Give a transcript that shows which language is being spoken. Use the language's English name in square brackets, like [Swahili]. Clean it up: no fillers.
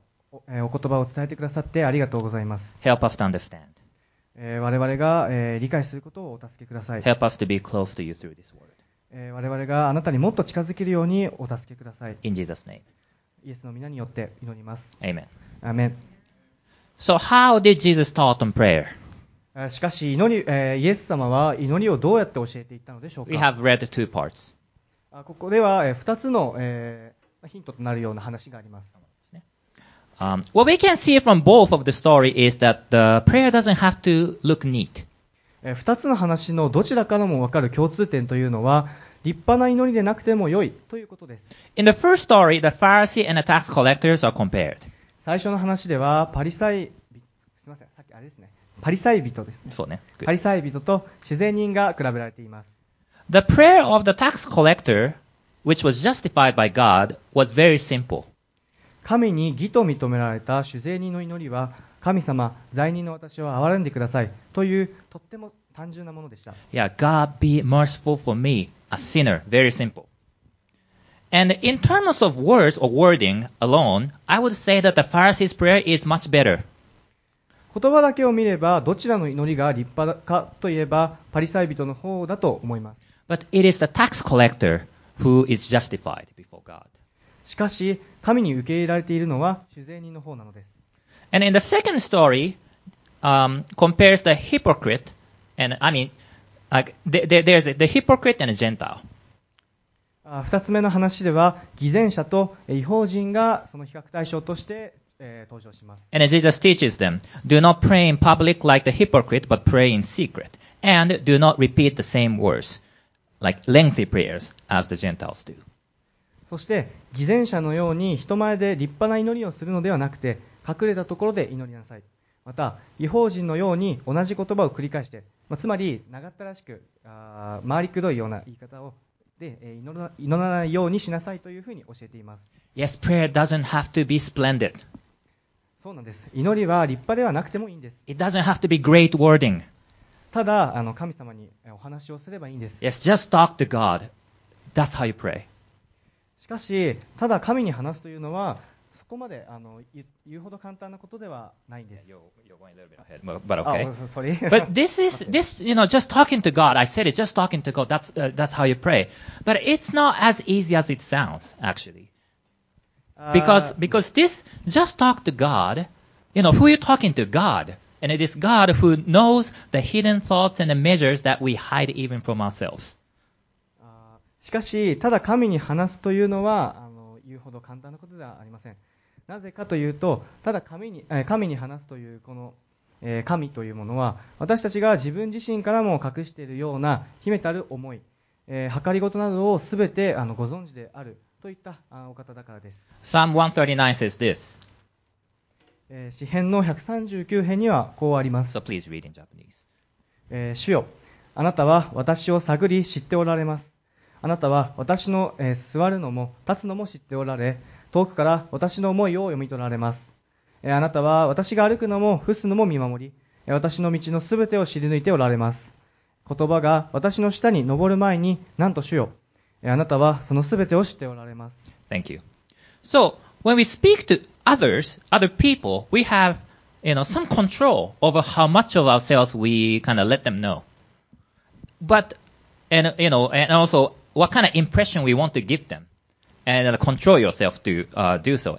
[Japanese] お言葉を伝えてくださってありがとうございます。 [English] Help us to understand. [Japanese] 我々が理解することをお助けください。 [English] Help us to be close to you through this word. [Japanese] 我々があなたにもっと近づけるようにお助けください。 [English] In Jesus' name. [Japanese] イエスの御名によって祈ります。 [English] Amen. Amen. So how did Jesus taught on prayer? [Japanese] しかし祈り、イエス様は祈りをどうやって教えていったのでしょうか。 [English] We have read two parts. [Japanese] ここでは2つのヒントとなるような話があります。 [English] What we can see from both of the story is that the prayer doesn't have to look neat. [Japanese] 二つの話のどちらからも分かる共通点というのは、立派な祈りでなくても良いということです。 [English] In the first story, the Pharisee and the tax collectors are compared. [Japanese] 最初の話ではパリサイ人です、ね。そうね。 [English] Good. [Japanese] パリサイ人と税税人が比べられています。 [English] The prayer of the tax collector, which was justified by God, was very simple. [Japanese] 神に義と認められた主税人の祈りは、神様、罪人の私を憐れんでくださいというとっても単純なものでした。 [English] Yeah, God be merciful for me, a sinner. Very simple. And in terms of words or wording alone, I would say that the Pharisee's prayer is much better. [Japanese] 言葉だけを見ればどちらの祈りが立派かといえばパリサイ人の方だと思います。 [English] But it is the tax collector who is justified before God. [Japanese] しかし神に受け入れられているのは主税人の方なのです。 [English] And in the second story, compares the hypocrite and I mean, like there's the hypocrite and a gentile. [Japanese] 二つ目の話では偽善者と異邦人がその比較対象として、登場します。 [English] And Jesus teaches them, do not pray in public like the hypocrite, but pray in secret, and do not repeat the same words, like lengthy prayers, as the Gentiles do. [Japanese] そして偽善者のように人前で立派な祈りをするのではなくて隠れたところで祈りなさい。また異邦人のように同じ言葉を繰り返して、まあ、つまり長ったらしく回りくどいような言い方をで祈らないようにしなさいというふうに教えています。 [English] Yes, prayer doesn't have to be splendid. [Japanese] そうなんです。祈りは立派ではなくてもいいんです。 [English] It doesn't have to be great wording. [Japanese] ただ神様にお話をすればいいんです。 [English] Yes, just talk to God. That's how you pray [Japanese] しかし、ただ神に話すというのは、そこまで言うほど簡単なことではないんです。 [English] But this is, this, you know, just talking to God, I said it, just talking to God, that's how you pray. But it's not as easy as it sounds, actually. Because this, just talk to God, you know, who you're talking to? God. And it is God who knows the hidden thoughts and the measures that we hide even from ourselves. [Japanese] しかし、ただ神に話すというのは言うほど簡単なことではありません。なぜかというと、ただ神に話すというこの、神というものは、私たちが自分自身からも隠しているような秘めたる思い、計り事などをすべてご存知であるといったお方だからです。 [English] Psalm 139 says this. [Japanese] 詩編の139編にはこうあります。 [English] So please read in Japanese. [Japanese] 主よ、あなたは私を探り知っておられます。あなたは私の座るのも立つのも知っておられ、遠くから私の思いを読み取られます。あなたは私が歩くのも伏すのも見守り、私の道のすべてを知り抜いておられます。言葉が私の舌に上る前に、なんと主よ、あなたはそのすべてを知っておられます。 [English] Thank you. So, when we speak to others, other people, we have, you know, some control over how much of ourselves we kind of let them know. But, and also, what kind of impression we want to give them, and control yourself to do so.